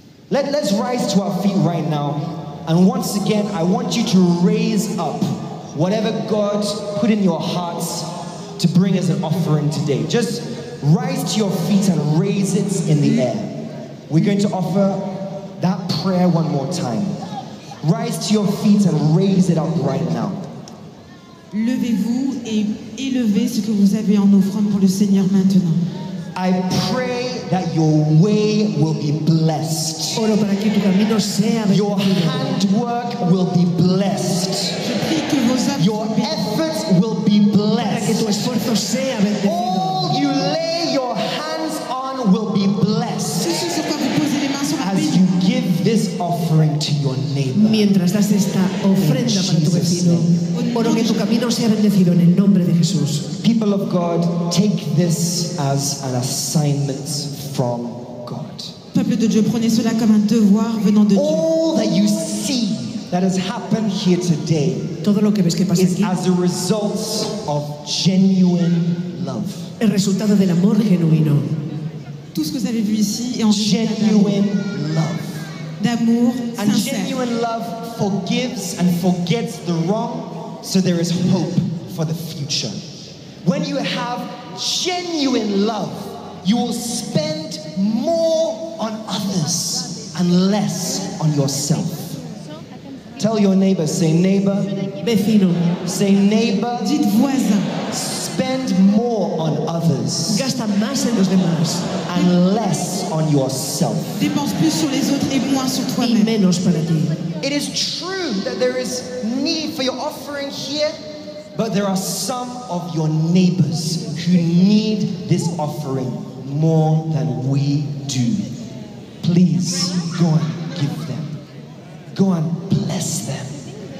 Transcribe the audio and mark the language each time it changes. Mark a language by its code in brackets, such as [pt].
[en] Let's rise to our feet right now, and once again, I want you to raise up whatever God put in your hearts to bring as an offering today. Just rise to your feet and raise it in the air. We're going to offer that prayer one more time. Rise to your feet and raise it up right now. [fr] Levez-vous et élevez ce que vous avez en offrande pour le Seigneur maintenant. [en] I pray that your way will be blessed. [es] Oro para que tu camino sea bendito. [en] Your handwork will be blessed. [fr] Je prie que vos œuvres [en] Your efforts will be blessed. [es] Para que tu esfuerzo sea bendito. [en] All you lay your hands on will be blessed. This offering to your neighbor. [es] Mientras das esta ofrenda para tu vecino, oro que tu camino sea bendecido en el nombre de Jesús. [en] People of God, take this as an assignment from God. [fr] peuple de Dieu, prenez cela comme un devoir venant de Dieu. [en] All that you see that has happened here today, [es] todo lo que ves que pasa aquí, [en] is as a result of genuine love. [es] El resultado del amor genuino. [fr] Tout ce que vous avez vu ici est en [en] genuine love. [fr] D'amour [en] and [fr] sincère. [en] Genuine love forgives and forgets the wrong, so there is hope for the future. When you have genuine love, you will spend more on others and less on yourself. Tell your neighbor, say neighbor, [es] vecino, [en] say neighbor, [fr] dites voisin, [en] spend more on others, [es] gasta más en los demás, [en] and less on yourself. [fr] Dépense plus sur les autres et moins sur toi-même. [es] Et menos para ti. [en] It is true that there is need for your offering here, but there are some of your neighbors who need this offering more than we do. Please, go and give them. Go and bless them.